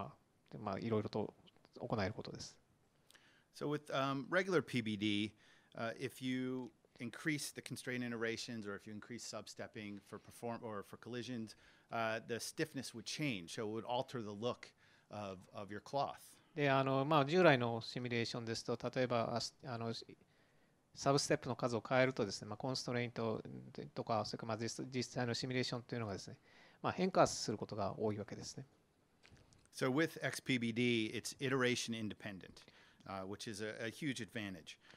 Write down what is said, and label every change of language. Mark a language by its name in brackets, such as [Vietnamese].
[Japanese] イテレーションの数ですね。こちらの設定を、コンストレインの設定をですね、いろいろと行えることです。 [English] So with regular PBD, if you increase the constraint iterations or if you increase substepping for perform or for collisions, the stiffness would change. So it would alter the look of your cloth. [Japanese] で、従来のシミュレーションですと、例えば、サブステップの数を変えるとですね、コンストレイントとか、それから実際のシミュレーションというのがですね、変化することが多いわけですね。 [English] So with XPBD, it's iteration independent, which is a huge advantage.